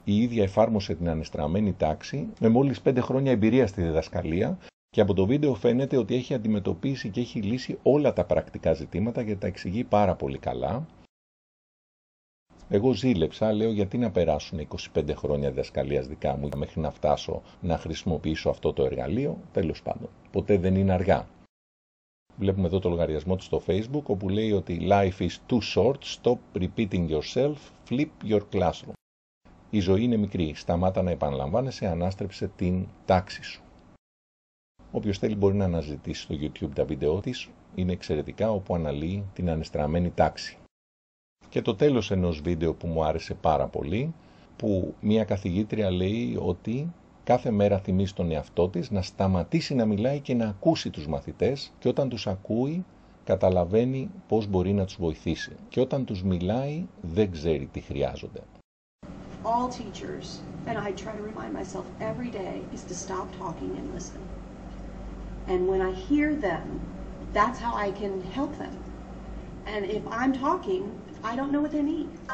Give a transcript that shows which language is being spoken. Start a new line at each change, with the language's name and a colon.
Greek: Η ίδια εφάρμοσε την ανεστραμμένη τάξη με μόλις 5 χρόνια εμπειρία στη διδασκαλία και από το βίντεο φαίνεται ότι έχει αντιμετωπίσει και έχει λύσει όλα τα πρακτικά ζητήματα γιατί τα εξηγεί πάρα πολύ καλά. Εγώ ζήλεψα, λέω, γιατί να περάσουν 25 χρόνια διδασκαλίας δικά μου μέχρι να φτάσω να χρησιμοποιήσω αυτό το εργαλείο. Τέλος πάντων, ποτέ δεν είναι αργά. Βλέπουμε εδώ το λογαριασμό του στο Facebook, όπου λέει ότι
English: «Life is too short, stop repeating yourself, flip your classroom».
Greek: Η ζωή είναι μικρή, σταμάτα να επαναλαμβάνεσαι, ανάστρεψε την τάξη σου. Όποιος θέλει μπορεί να αναζητήσει στο YouTube τα βίντεο της, είναι εξαιρετικά, όπου αναλύει την ανεστραμμένη τάξη. Και το τέλος ενός βίντεο που μου άρεσε πάρα πολύ, που μία καθηγήτρια λέει ότι κάθε μέρα θυμίζει τον εαυτό της να σταματήσει να μιλάει και να ακούσει τους μαθητές και όταν τους ακούει καταλαβαίνει πώς μπορεί να τους βοηθήσει. Και όταν τους μιλάει δεν ξέρει τι χρειάζονται.
English: All teachers, and I try to remind myself every day, is to stop talking and listen. And when I hear them, that's how I can help them. And if I'm talking, I don't know what they need.